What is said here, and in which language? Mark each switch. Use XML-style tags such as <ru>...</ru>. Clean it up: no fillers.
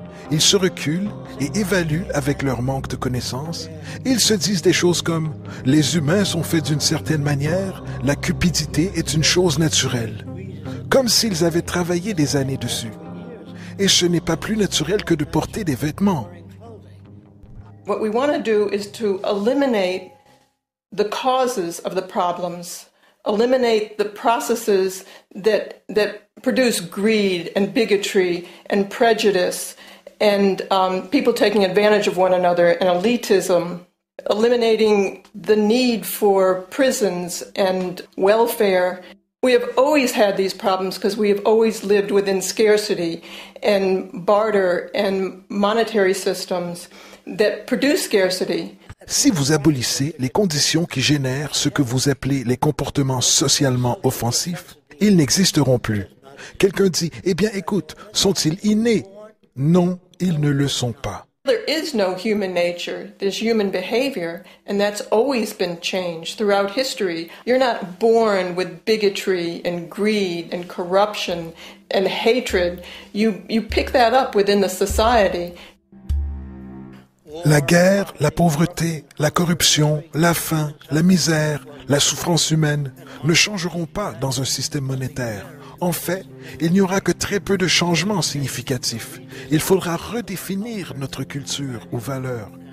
<fr>Ils se reculent et évaluent avec leur manque de connaissances. Ils se disent des choses comme « Les humains sont faits d'une certaine manière, la cupidité est une chose naturelle. » Comme s'ils avaient travaillé des années dessus. Et ce n'est pas plus naturel que de porter des vêtements.</fr> <en>What we want to do is to eliminate the causes of the problems, eliminate the processes that produce greed and bigotry and prejudice and people taking advantage of one another and elitism, eliminating the need for prisons and welfare. We have always had these problems because we have always lived within scarcity and barter and monetary systems that produce scarcity.</en> <fr>Si vous abolissez les conditions qui génèrent ce que vous appelez les comportements socialement offensifs, ils n'existeront plus. Quelqu'un dit, eh bien écoute, sont-ils innés? Non, ils ne le sont pas.</fr> <en>There is no human nature. There's human behavior, and that's always been changed throughout history. You're not born with bigotry and greed and corruption and hatred. You pick that up within the society.</en> <fr>La guerre, la pauvreté, la corruption, la faim, la misère, la souffrance humaine ne changeront pas dans un système monétaire. En fait, il n'y aura que très peu de changements significatifs. Il faudra redéfinir notre culture ou valeur.</fr>